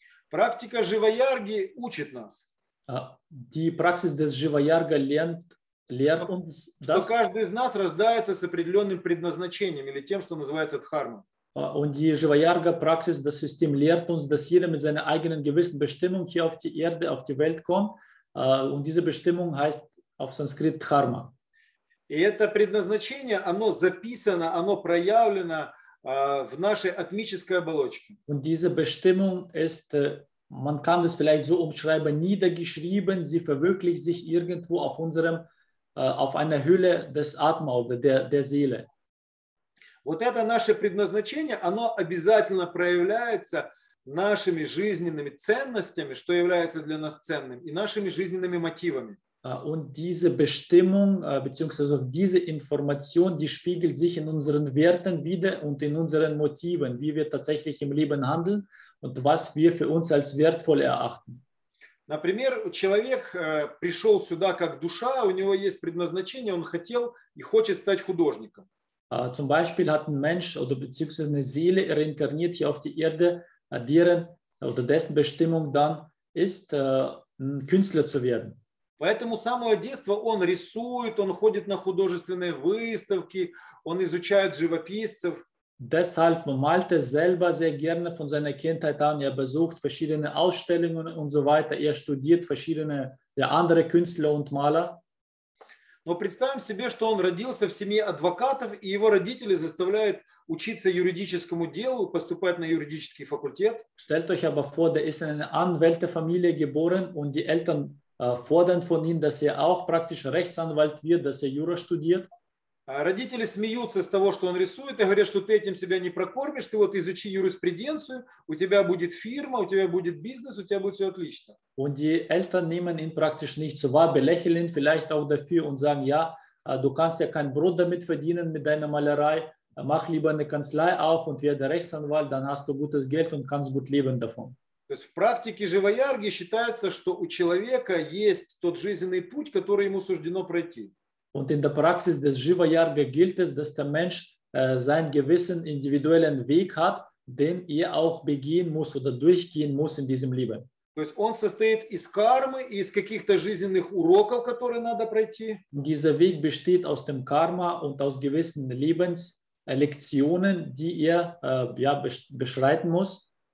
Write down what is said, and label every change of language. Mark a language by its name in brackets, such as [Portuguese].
[Russian] Практика Живоярги учит нас. [German] Die Praxis des Живоярга lehrt uns, dass [Russian] каждый из нас рождается с определенным предназначением или тем, что называется дхарма. [German] Und die Живоярга Praxis, das System lehrt uns, dass jeder mit seiner eigenen gewissen Bestimmung hier auf die Erde, auf die Welt kommt. Und diese Bestimmung heißt auf Sanskrit Dharma. [Russian] И это предназначение, оно записано, оно проявлено в нашей атмической оболочке. [German] Und diese Bestimmung ist Man kann das vielleicht so umschreiben, niedergeschrieben, sie verwirklicht sich irgendwo auf unserem, auf einer Hülle des Atma oder der Seele. [Russian] Вот это наше предназначение, оно обязательно проявляется нашими жизненными ценностями, что является для нас ценным, и нашими жизненными мотивами. [German] Und diese Bestimmung, beziehungsweise diese Information, die spiegelt sich in unseren Werten wider und in unseren Motiven, wie wir tatsächlich im Leben handeln und was wir für uns als wertvoll erachten. [Russian] Например, человек пришел сюда как душа, у него есть предназначение, он хотел и хочет стать художником. [German] Zum Beispiel hat ein Mensch oder beziehungsweise eine Seele reinkarniert hier auf die Erde, deren oder dessen Bestimmung dann ist, ein Künstler zu werden. [Russian] Поэтому с самого детства он рисует, он ходит на художественные выставки, он изучает живописцев. [German] Deshalb malte selber sehr gerne von seiner Kindheit an. Er besucht verschiedene Ausstellungen und so weiter. Er studiert verschiedene andere Künstler und Maler. [Russian] Но представим себе, что он родился в семье адвокатов, и его родители заставляют учиться юридическому делу, поступать на юридический факультет. [German] Stellt euch aber vor, der ist in einer Anwältefamilie geboren und die Eltern fordern von ihm, dass er auch praktisch Rechtsanwalt wird, dass er Jura studiert. [Russian] Родители смеются с того, что он рисует, и говорят, что ты этим себя не прокормишь, ты вот изучи юриспруденцию, у тебя будет фирма, у тебя будет бизнес, у тебя будет все отлично. [German] Und die Eltern nehmen ihn praktisch nicht so wahr, belächeln ihn vielleicht auch dafür und sagen, ja, du kannst ja kein Brot damit verdienen mit deiner Malerei, mach lieber eine Kanzlei auf und werde Rechtsanwalt, dann hast du gutes Geld und kannst gut leben davon. [Russian] То есть в практике Живаярги считается, что у человека есть тот жизненный путь, который ему суждено пройти. [German] Und in der Praxis des Живаярги gilt es, dass der Mensch seinen gewissen individuellen Weg hat, den er auch begehen muss oder durchgehen muss in diesem Leben. [Russian] То есть он состоит из кармы и из каких-то жизненных уроков, которые надо пройти. [German] Dieser Weg besteht aus dem Karma und aus gewissen Lebenslektionen, die er beschreiten muss.